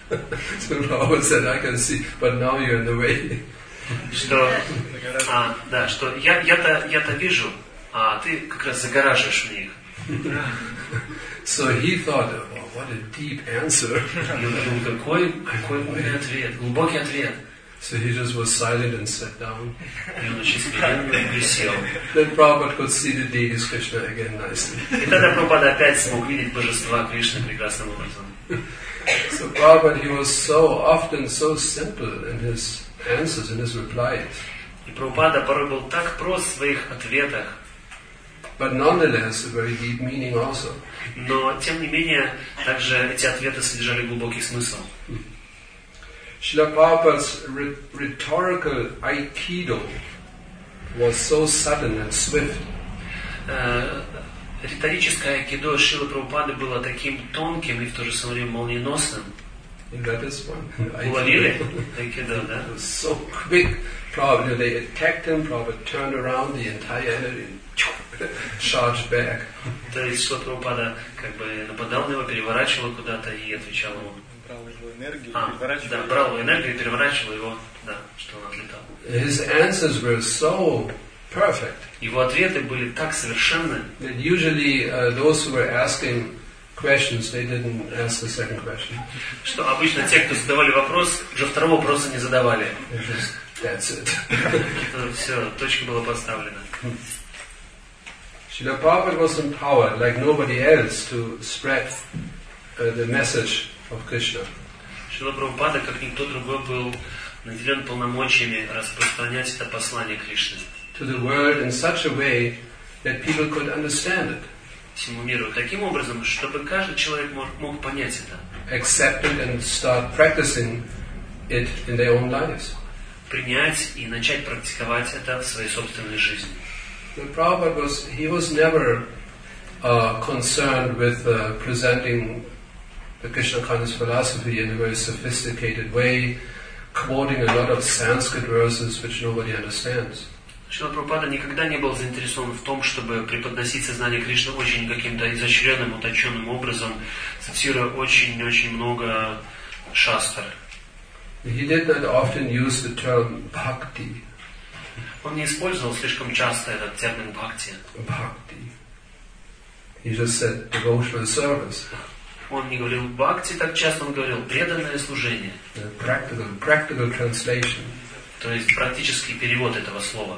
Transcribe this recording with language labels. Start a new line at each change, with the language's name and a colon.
English: So Prabhupada said, I can see, but now you're in the way.
Russian: Что, да, что я-то вижу, а ты как раз загораживаешь мне их.
English: So he thought, oh, what a deep answer.
Russian: Какой умный ответ, глубокий ответ.
English: So he just was silent and sat down.
Russian: И он очень спокойно присел.
English: Then Prabhupada could see the deities Krishna again nicely.
Russian: И тогда Прабхупада опять смог видеть божества Кришны прекрасным образом.
English: So Prabhupada, he was so often so simple in his answers, in his replies.
Russian: И Прабхупада порой был так прост в своих ответах.
English: But nonetheless, a very deep meaning also.
Russian: Но тем не менее также эти ответы содержали глубокий смысл.
English: Шрила Прабхупада's rhetorical aikido was so sudden and swift.
Russian: Риторическое айкидо Шрилы Прабхупады было таким тонким и в то же самое время молниеносным. Уловили айкидо, да?
English: So quick, Prabhupada, they attacked him. Prabhupada turned around the entire energy. Charged back.
Russian: То есть что Прабхупада как бы нападал на него, переворачивал куда-то и отвечал ему. Брал его энергию, переворачивал. Да, брал его энергию и переворачивал его, да, что он отлетал.
English: His answers were so perfect.
Russian: Его ответы были так совершенны.
English: That usually those who were asking questions, they didn't ask the second question.
Russian: Что обычно те, кто задавали вопрос, уже второго вопроса не задавали.
English: That's it.
Russian: Все, точка была поставлена.
English: Srila Prabhupada was empowered, like nobody else, to spread the message of Krishna.
Russian: Srila Prabhupada, как никто другой, был наделен полномочиями распространять это послание Кришны.
English: To the world in such a way that people could understand it.
Russian: Всему миру таким образом, чтобы каждый человек мог понять это.
English: Accept it and start practicing it in their own lives.
Russian: Принять и начать практиковать это в своей собственной жизни.
English: The Prabhupada was never concerned with presenting the Krishna consciousness philosophy in a very sophisticated way, quoting a lot of Sanskrit verses which nobody understands.
Russian: Шрила Прабхупада никогда не был заинтересован в том, чтобы преподносить сознание Кришны очень каким-то изощренным, уточенным образом, цитируя очень-очень много шастр.
English: He did not often use the term bhakti.
Russian: Он не использовал слишком часто этот термин бхакти.
English: Бхакти. He just said devotional service.
Russian: Он не говорил бхакти так часто, он говорил преданное служение.
English: Practical translation.
Russian: То есть практический перевод этого слова.